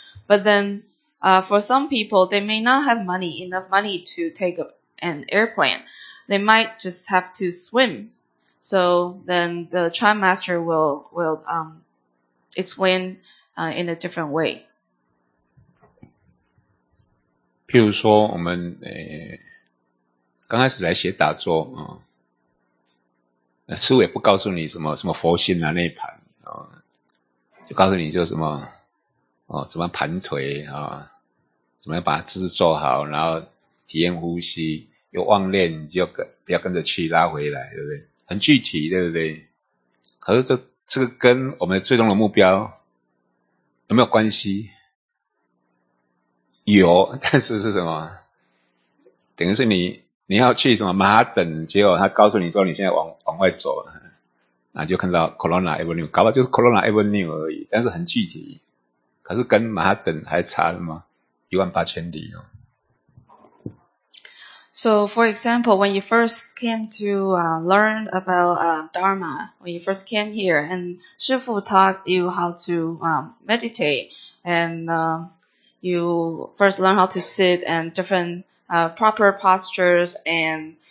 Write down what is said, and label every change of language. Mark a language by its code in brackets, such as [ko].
[en] But then, for some people, they may not have enough money to take an airplane. They might just have to swim. So then the chime master will explain in a different way. [zh] 譬如说我们刚开始来学打坐啊，师傅也不告诉你什么佛心啊那一盘啊，就告诉你就什么怎么盘腿啊，怎么把姿势做好，然后体验呼吸。有妄念你就不要跟着去拉回来，对不对？很具体，对不对？可是这个跟我们最终的目标有没有关系？有，但是什么？等于是你要去什么马等，结果他告诉你说你现在往外走，那就看到 Corona Avenue， 搞不好就是 Corona Avenue 而已，但是很具体。可是跟马等还差什么18000里哦。 [en] So, for example, when you first came to learn about Dharma, when you first came here, and Shifu taught you how to meditate, and you first learn how to sit and different proper postures, and